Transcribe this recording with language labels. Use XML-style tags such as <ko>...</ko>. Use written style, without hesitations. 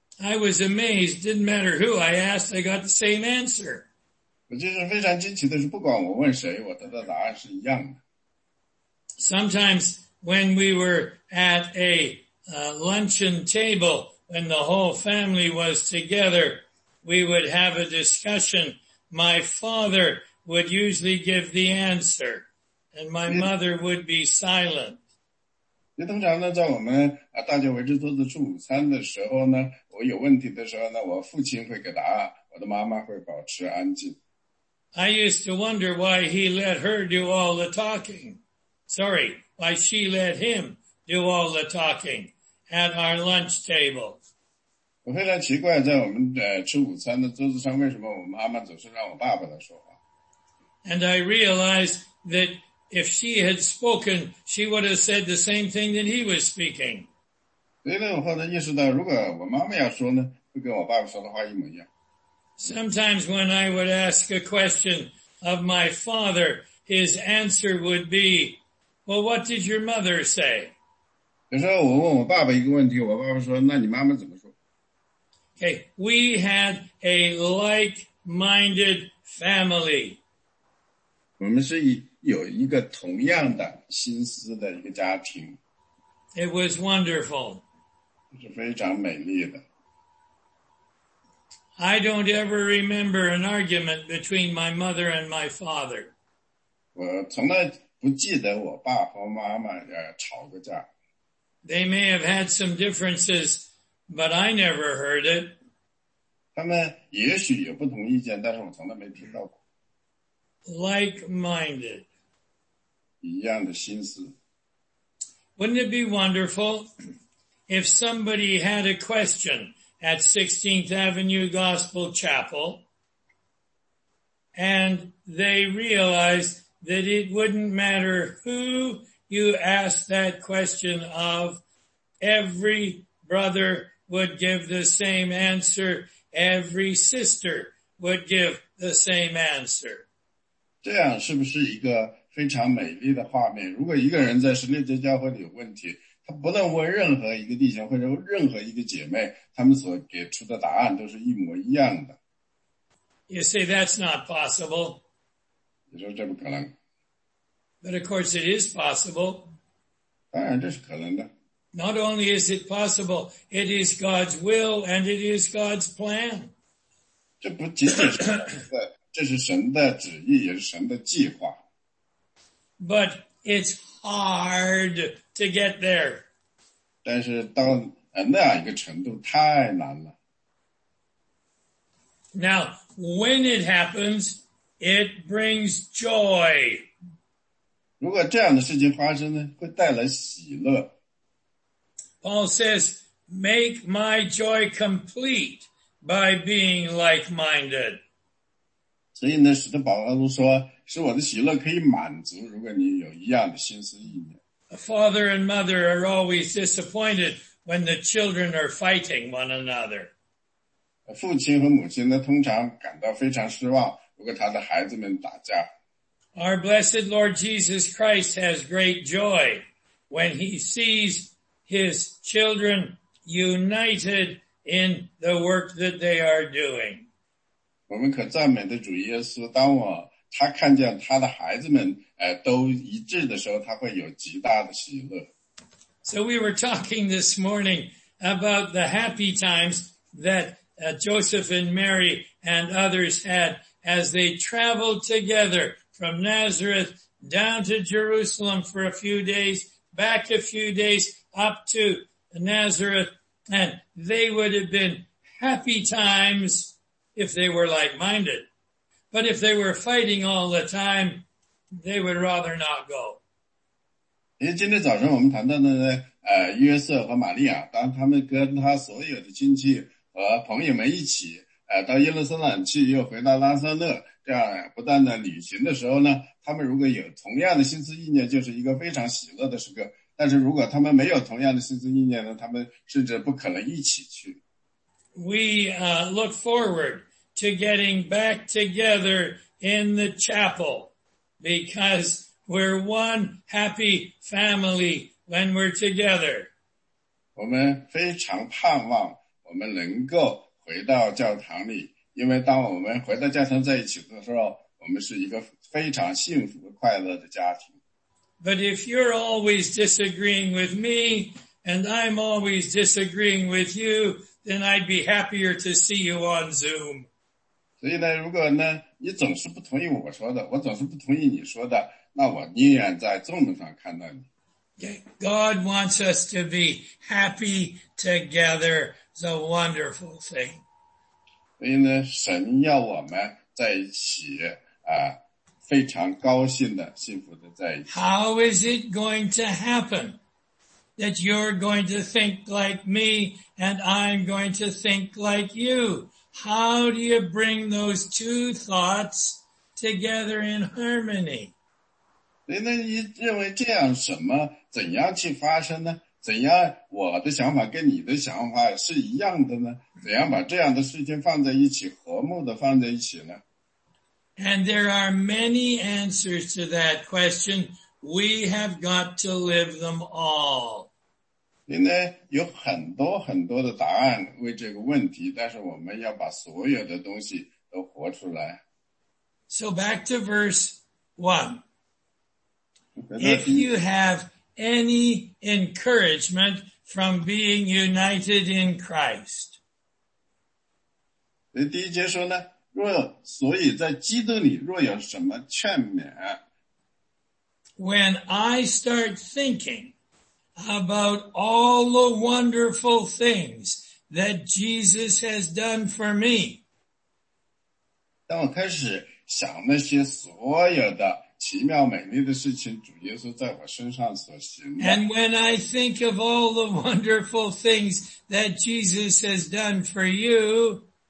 <en>I was amazed, didn't matter who I asked, I got the same answer.</en> <zh>我就是非常惊奇的是，不管我问谁，我得到答案是一样的。</zh> <en>Sometimes when we were at a luncheon table, when the whole family was together, we would have a discussion. My father would usually give the answer, and my mother would be silent.</en> <zh>那通常呢，在我们大家围着桌子吃午餐的时候呢，我有问题的时候呢，我父亲会给答案，我的妈妈会保持安静。</zh> <en>I used to wonder why he let her do all the talking. Sorry, why she let him do all the talking at our lunch table.</en> <zh>我非常奇怪，在我们吃午餐的桌子上，为什么我妈妈总是让我爸爸来说话？</zh> <en>And I realized that if she had spoken, she would have said the same thing that he was speaking.</en> <zh>所以呢，我后来意识到，如果我妈妈要说呢，会跟我爸爸说的话一模一样。</zh> <en>Sometimes when I would ask a question of my father, his answer would be, well, what did your mother say?</en> <zh>可是我问我爸爸一个问题，我爸爸说，那你妈妈怎么说？</zh> <en>Okay, we had a like-minded family.</en> <zh>我们是有一个同样的心思的一个家庭。</zh> <en>It was wonderful.</en> <zh>是非常美丽的。</zh> <en>I don't ever remember an argument between my mother and my father.</en> <zh>我从来不记得我爸和妈妈吵过架。</zh> <en>They may have had some differences, but I never heard it.</en> <zh>他们也许有不同意见，但是我从来没听到过。</zh> <en>Like-minded.</en> <zh>一样的心思。</zh> <en>Wouldn't it be wonderful if somebody had a question at 16th Avenue Gospel Chapel and they realized that it wouldn't matter who you asked that question of, every brother would give the same answer, every sister would give the same answer.</en> <zh>这样是不是一个非常美丽的画面？如果一个人在神立之教会里有问题，他不论问任何一个弟兄或者任何一个姐妹，他们所给出的答案都是一模一样的。</zh> <en>You say that's not possible.</en> <zh>你说这不可能。</zh> <en>But of course it is possible.</en> <zh>当然这是可能的。</zh> <en>Not only is it possible, it is God's will and it is God's plan.</en> <zh>这不仅仅是神的，这是神的旨意，也是神的计划。</zh> <en>But it's hard to get there.</en> <zh>但是到那样一个程度太难了。</zh> <en>Now, when it happens, it brings joy.</en> <zh>如果这样的事情发生呢，会带来喜乐。</zh> <en>Paul says, make my joy complete by being like-minded.</en> <zh>所以呢，使得保罗说，使我的喜乐可以满足，如果你有一样的心思意念。</zh> <en>A father and mother are always disappointed when the children are fighting one another.</en> <zh>父亲和母亲呢，通常感到非常失望，如果他的孩子们打架。</zh> <en>Our blessed Lord Jesus Christ has great joy when he sees his children united in the work that they are doing.</en> <zh>我们可赞美的主耶稣，当我他看见他的孩子们都一致的时候，他会有极大的喜乐。</zh> <en>So we were talking this morning about the happy times that Joseph and Mary and others had as they traveled together from Nazareth down to Jerusalem for a few days, back a few days up to Nazareth, and they would have been happy times if they were like-minded. But if they were fighting all the time, they would rather not go.</en> <zh>因为今天早晨我们谈到的呢，约瑟和玛利亚，当他们跟他所有的亲戚和朋友们一起，到耶路撒冷去，又回到拉撒勒，这样不断的旅行的时候呢，他们如果有同样的心思意念，就是一个非常喜乐的时刻。但是如果他们没有同样的心思意念呢，他们甚至不可能一起去。</zh> <en>We look forward to getting back together in the chapel because we're one happy family when we're together.</en> <zh>我们非常盼望我们能够回到教堂里，因为当我们回到教堂在一起的时候，我们是一个非常幸福快乐的家庭。</zh> <en>But if you're always disagreeing with me and I'm always disagreeing with you, then I'd be happier to see you on Zoom.</en> <zh>所以呢，如果呢，你总是不同意我说的，我总是不同意你说的，那我宁愿在Zoom上看到你。</zh> <en>God wants us to be happy together. It's a wonderful thing.</en> <zh>所以呢，神要我们在一起非常高兴的幸福的在一起。</zh> <en>How is it going to happen that you're going to think like me and I'm going to think like you? How do you bring those two thoughts together in harmony?</en> <zh>那你认为这样什么怎样去发生呢？怎样我的想法跟你的想法是一样的呢？怎样把这样的事情放在一起，和睦的放在一起呢？</zh> <en>And there are many answers to that question. We have got to live them all.</en> <zh>应该有很多很多的答案为这个问题，但是我们要把所有的东西都活出来。</zh> <en>So back to verse 1. If you have any encouragement from being united in Christ.</en> <zh>第一节说呢，若所以在基督里若有什么劝勉。</zh> <en>When I start thinking about all the wonderful things that Jesus has done for me.</en> <zh>当我开始想那些所有的奇妙美丽的事情主耶稣在我身上所行的。</zh> <en>And when I think of all the wonderful things that Jesus has done for you,</en>